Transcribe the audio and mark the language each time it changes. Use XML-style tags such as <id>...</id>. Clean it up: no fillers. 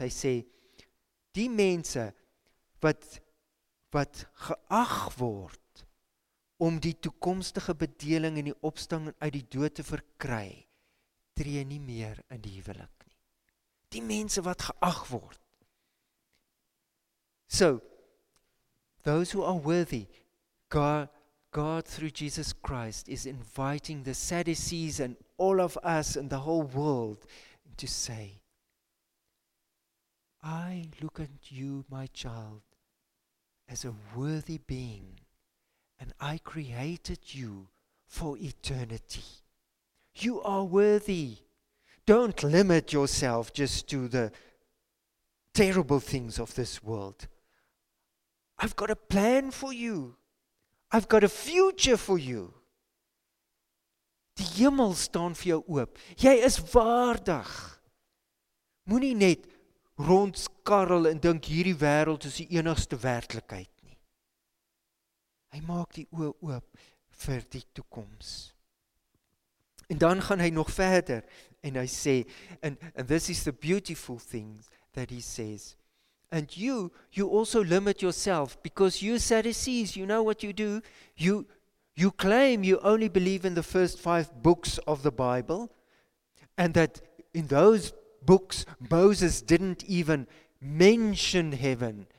<af>Hy sê, die mense wat geag word om die toekomstige bedeling en die opstang uit die dood te verkry, tree nie meer in die huwelik nie. Die mense wat geag word.</af> <en>So, those who are worthy, God through Jesus Christ is inviting the Sadducees and all of us and the whole world to say, I look at you, my child, as a worthy being. And I created you for eternity. You are worthy. Don't limit yourself just to the terrible things of this world. I've got a plan for you. I've got a future for you.</en> <af>Die hemel staan vir jou oop. Jy is waardig. Moenie net rondskarrel en dink hierdie wêreld is die enigste werklikheid. Hy maak die oë oop vir die toekoms. En dan gaan hy nog verder en hy sê,</af> <en>and this is the beautiful thing that he says, and you also limit yourself because you Sadducees, you know what you do? You claim you only believe in the first 5 books of the Bible and that in those books Moses didn't even mention heaven.</en>